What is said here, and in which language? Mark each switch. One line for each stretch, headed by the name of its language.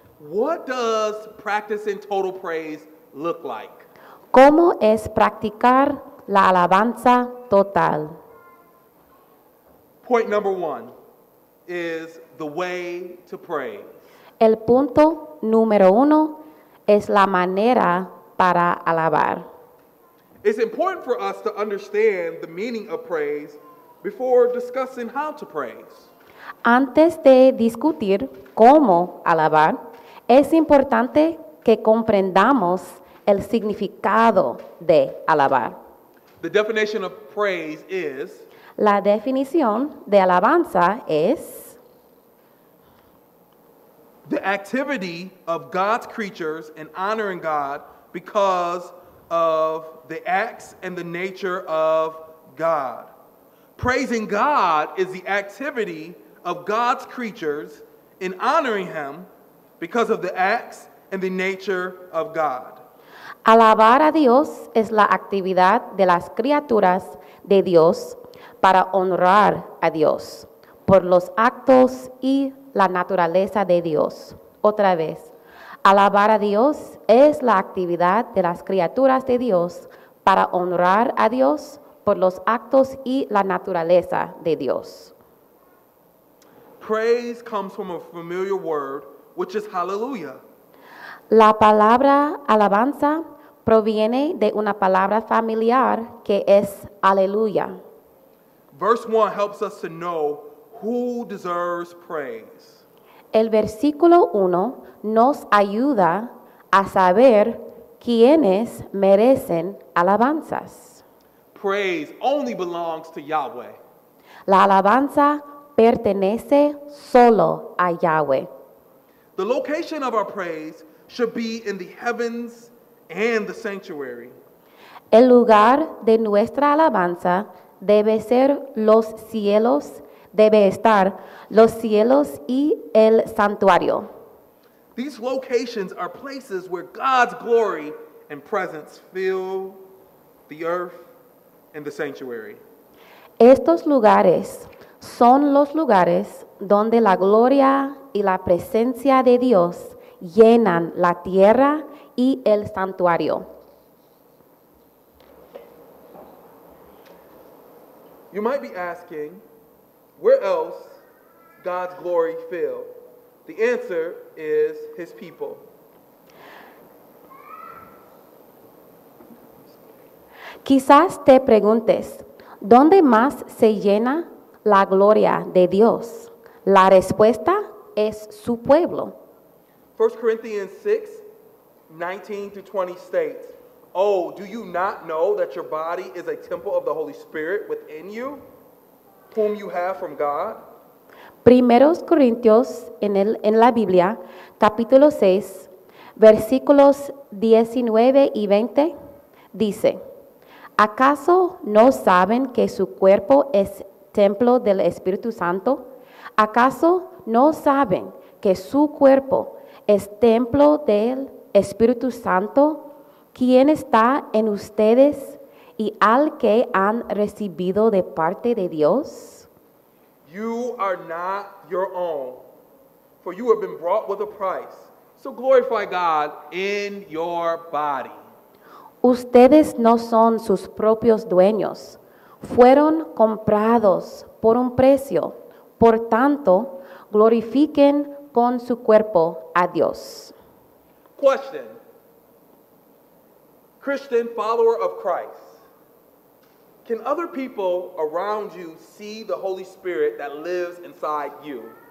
English: What does practicing total praise look like?
Spanish: ¿Cómo es practicar la alabanza total?
English: Point number one is the way to praise.
Spanish: El punto número uno es la manera para alabar.
English: It's important for us to understand the meaning of praise before discussing how to praise.
Spanish: Antes de discutir cómo alabar, es importante que comprendamos el significado de alabar.
English: The definition of praise is...
Spanish: La definición de alabanza es...
English: The activity of God's creatures in honoring God because of the acts and the nature of God. Praising God is the activity of God's creatures in honoring him because of the acts and the nature of God.
Spanish: Alabar a Dios es la actividad de las criaturas de Dios para honrar a Dios por los actos y la naturaleza de Dios. Otra vez, alabar a Dios es la actividad de las criaturas de Dios para honrar a Dios por los actos y la naturaleza de Dios.
English: Praise comes from a familiar word, which is hallelujah.
Spanish: La palabra alabanza proviene de una palabra familiar que es aleluya.
English: Verse 1 helps us to know who deserves praise.
Spanish: El versículo 1 nos ayuda a saber quiénes merecen alabanzas.
English: Praise only belongs to Yahweh.
Spanish: La alabanza pertenece solo a Yahweh.
English: The location of our praise should be in the heavens and the sanctuary.
Spanish: El lugar de nuestra alabanza debe ser los cielos, debe estar los cielos y el santuario.
English: These locations are places where God's glory and presence fill the earth and the sanctuary.
Spanish: Estos lugares son los lugares donde la gloria y la presencia de Dios llenan la tierra y el santuario.
English: You might be asking, where else God's glory fill? The answer is his people.
Spanish: Quizás te preguntes, ¿dónde más se llena la gloria de Dios? La respuesta es su pueblo.
English: 1 Corinthians 6:19-20 states, "Oh, do you not know that your body is a temple of the Holy Spirit within you, whom you have from God?"
Spanish: Primeros Corintios en la Biblia, capítulo 6, versículos 19 y 20, dice, "¿Acaso no saben que su cuerpo es templo del Espíritu Santo, ¿Acaso no saben que su cuerpo es templo del Espíritu Santo, quien está en ustedes y al que han recibido de parte de Dios?
English: You are not your own, for you have been bought with a price. So glorify God in your body.
Spanish: Ustedes no son sus propios dueños. Fueron comprados por un precio. Por tanto, glorifiquen con su cuerpo a Dios.
English: Question. Christian follower of Christ, can other people around you see the Holy Spirit that lives inside you?